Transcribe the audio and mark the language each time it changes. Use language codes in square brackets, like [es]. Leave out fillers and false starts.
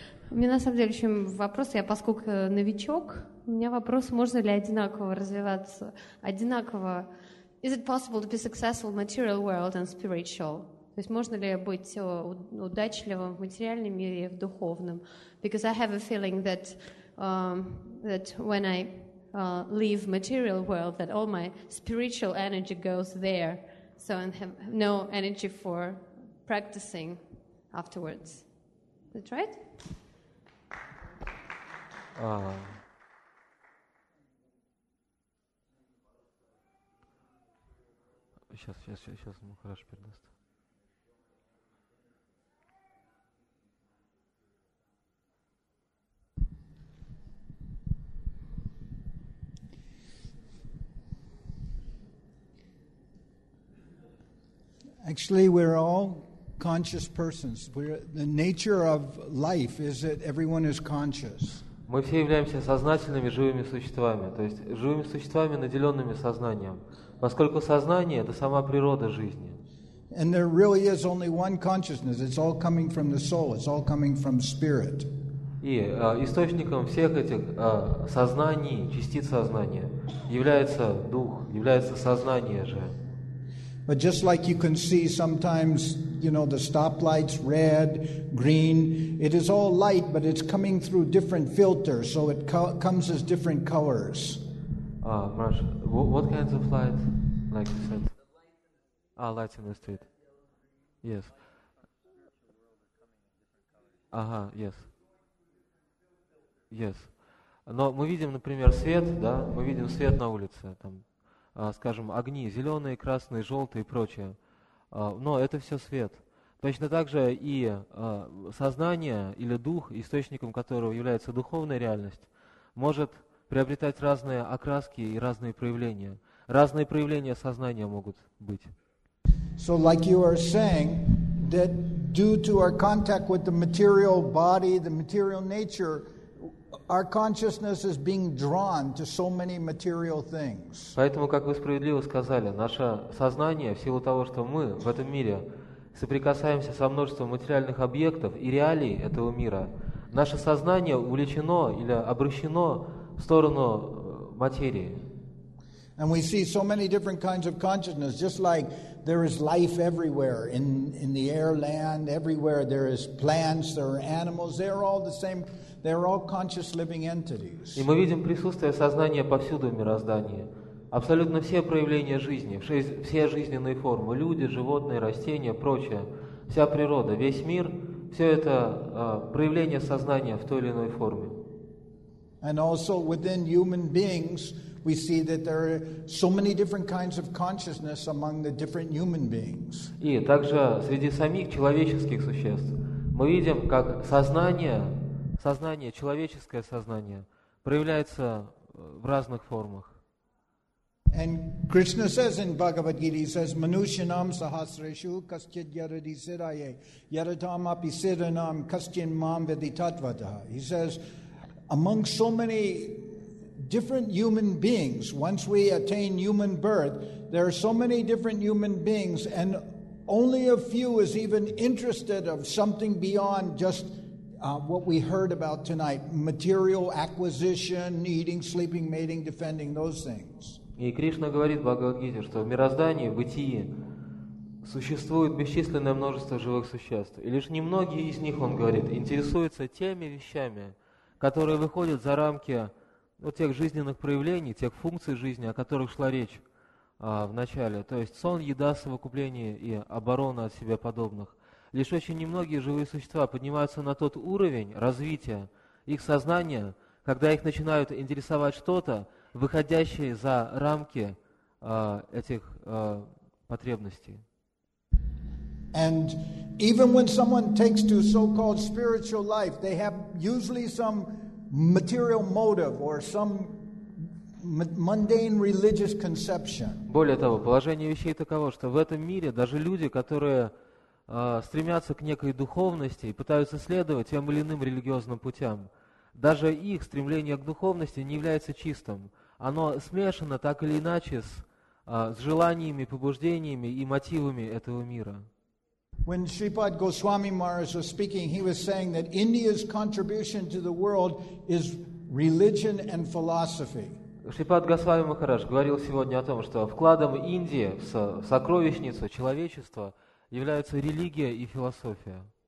[ru] У меня на самом деле еще вопрос. Я, поскольку новичок, у меня вопрос, можно ли одинаково развиваться, одинаково. [en] Is it possible to be successful in material world and spiritual? [ru] То есть можно ли быть удачливым в материальном мире и в духовном? [en] Because I have a feeling that that when I leave material world, that all my spiritual energy goes there, so I have no energy for practicing afterwards. Is that right? [ru] Сейчас ему хорошо передаст. [en] Actually, we're all conscious persons. The nature of life is that everyone is conscious. [ru] Мы все являемся сознательными живыми существами, то есть живыми существами, наделенными сознанием. Поскольку сознание — это сама природа жизни. [en] And there really is only one consciousness. It's all coming from the soul. It's all coming from spirit. [ru] И источником всех этих сознаний, частиц сознания, является дух, является сознание же. [en] But just like you can see sometimes, you know, the stoplights, red, green, it is all light, but it's coming through different filters, so it comes as different colors. What kinds of light, like you said? Light in the street. Yes. Yes. Yes. [ru] Но мы видим, например, свет, да? Мы видим свет на улице, там, скажем, огни, зеленые, красные, желтые и прочее. Но это все свет. Точно так же и сознание или дух, источником которого является духовная реальность, может приобретать разные окраски и разные проявления. Разные проявления сознания могут быть. [en] So, like you are saying, that due to our contact with the material body, the material nature, our consciousness is being drawn to so many material things. [ru] Поэтому, как вы справедливо сказали, наше сознание, в силу того, что мы в этом мире соприкасаемся со множеством материальных объектов и реалий этого мира, наше сознание увлечено или обращено в сторону материи. [en] And we see so many different kinds of consciousness, just like there is life everywhere, in the air, land, everywhere there is plants, there are animals, they are all the same, they are all conscious living entities. [ru] И мы видим присутствие сознания повсюду в мироздании. Абсолютно все проявления жизни, все жизненные формы, люди, животные, растения, прочее, вся природа, весь мир, все это проявление сознания в той или иной форме. [en] And also within human beings, we see that there are so many different kinds of consciousness among the different human beings. [ru] И также среди самих человеческих существ мы видим, как сознание, человеческое сознание проявляется в разных формах. [en] And Krishna says in Bhagavad Gita, he says, [sa] Manushyanam sahasreshu kaschid yarati siddhaye, yaratam api siddhanam kaschin mam vidhi tatvataha. [en] He says, among so many different human beings, once we attain human birth, there are so many different human beings, and only a few is even interested of something beyond just what we heard about tonight, material acquisition, eating, sleeping, mating, defending, those things. [ru] И Кришна говорит в Бхагавад-гите, что в мироздании, в бытии, существует бесчисленное множество живых существ. И лишь немногие из них, он говорит, интересуются теми вещами, которые выходят за рамки вот тех жизненных проявлений, тех функций жизни, о которых шла речь в начале. То есть сон, еда, совокупление и оборона от себя подобных. Лишь очень немногие живые существа поднимаются на тот уровень развития их сознания, когда их начинают интересовать что-то, выходящее за рамки этих потребностей. [en] And even when someone takes to so-called spiritual life, they have usually some material motive or some mundane religious conception. [ru] Более того, положение вещей таково, что в этом мире даже люди, которые стремятся к некой духовности и пытаются следовать тем или иным религиозным путям, даже их стремление к духовности не является чистым. Оно смешано так или иначе с желаниями, побуждениями и мотивами этого мира. [en] When Shripad Goswami Maharaj was speaking, he was saying that India's contribution to the world is religion and philosophy. [ru] Шрипад Госвами Махарадж говорил сегодня о том, что вкладом Индии в сокровищницу человечества являются религия и философия.